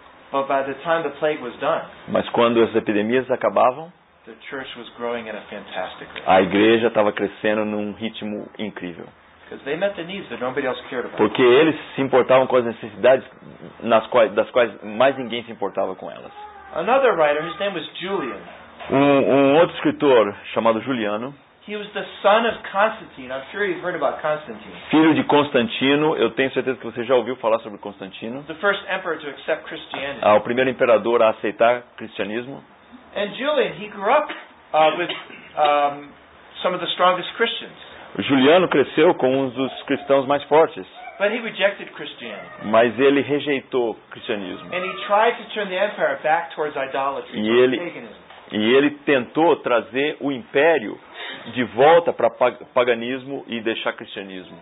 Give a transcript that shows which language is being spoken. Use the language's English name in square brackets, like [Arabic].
[English] But by the time the plague was done, [Portuguese] mas quando as epidemias acabavam, [English] the church was growing at a fantastic rate. [Portuguese] A igreja estava crescendo num ritmo incrível. [English] Because they met the needs that nobody else cared about. [Portuguese] Porque eles se importavam com as necessidades nas quais, das quais mais ninguém se importava com elas. [English] Another writer, his name was Julian. [Portuguese] Um outro escritor chamado Juliano. [English] He was the son of Constantine. I'm sure you've heard about Constantine. [Portuguese] Filho de Constantino, eu tenho certeza que você já ouviu falar sobre Constantino. [English] The first emperor to accept Christianity. [Portuguese] O primeiro imperador a aceitar cristianismo. [English] And Julian, he grew up with some of the strongest Christians. [Portuguese] Juliano cresceu com um dos cristãos mais fortes. [English] But he rejected Christianity. [Portuguese] Mas ele rejeitou o cristianismo. [English] And he tried to turn the empire back towards idolatry, towards paganism. [Portuguese] E ele tentou trazer o império de volta para paganismo e deixar cristianismo.